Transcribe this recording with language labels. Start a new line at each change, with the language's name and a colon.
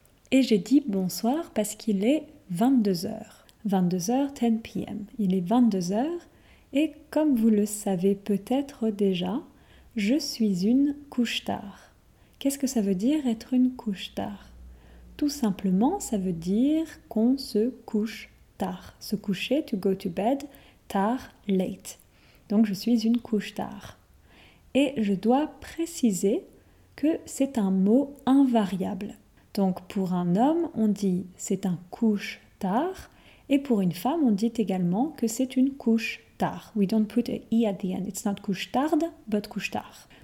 French: Et j'ai dit bonsoir parce qu'il est 22h. 22h,
English: 10 p.m.
French: Il est 22h et comme vous le savez peut-être déjà, je suis une couche tard. Qu'est-ce que ça veut dire être une couche tard? Tout simplement, ça veut dire qu'on se couche tard. Se coucher,
English: to go to bed,
French: tard, late. Donc je suis une couche tard. Et je dois préciser que c'est un mot invariable. Donc pour un homme, on dit c'est un couche tard. Et pour une femme, on dit également que c'est une couche tard.
English: We don't put a e at the end. It's not couche tard, but couche tard.